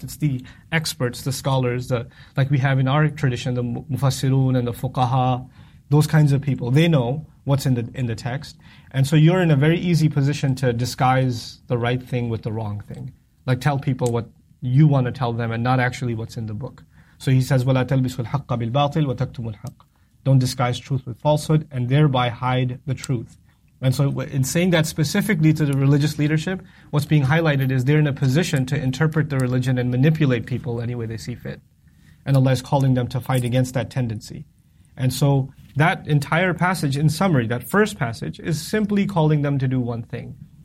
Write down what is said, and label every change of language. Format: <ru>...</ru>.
<en>It's the experts, the scholars, like we have in our tradition, the Mufassirun and the Fuqaha, those kinds of people. They know what's in the text. And so you're in a very easy position to disguise the right thing with the wrong thing. Like tell people what you want to tell them and not actually what's in the book. So he says,</en> <ar>وَلَا تَلْبِسُوا الْحَقَّ بِالْبَاطِلِ وَتَكْتُمُوا الْحَقَّ.</ar> <en>Don't disguise truth with falsehood and thereby hide the truth. And so in saying that specifically to the religious leadership, what's being highlighted is they're in a position to interpret the religion and manipulate people any way they see fit. And Allah is calling them to fight against that tendency. And so that entire passage, in summary, that first passage, is simply calling them to do one thing.</en>